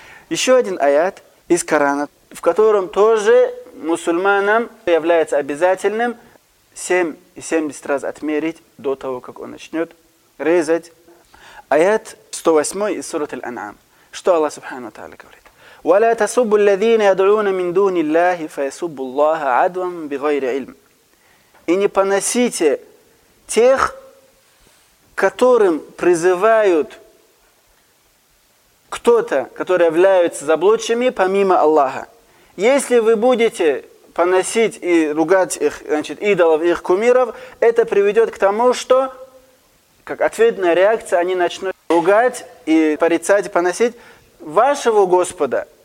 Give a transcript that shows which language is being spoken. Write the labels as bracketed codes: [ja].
[ru] Еще один аят из Корана, в котором тоже мусульманам является обязательным 7,70 раз отмерить до того, как он начнет резать. Аят 108 из сурат Аль-Ан'ам. Что Аллах Субхану Тааля говорит? [ar] ولا تسبوا الذين يدعون من دون الله فيسبوا الله عدوا بغير علم. [ru] И не поносите тех, которым призывают кто-то, которые являются заблудшими помимо Аллаха. Если вы будете поносить и ругать их, значит, идолов, их кумиров, это приведет к тому, что как ответная реакция они начнут ругать и порицать, поносить вашего Господа.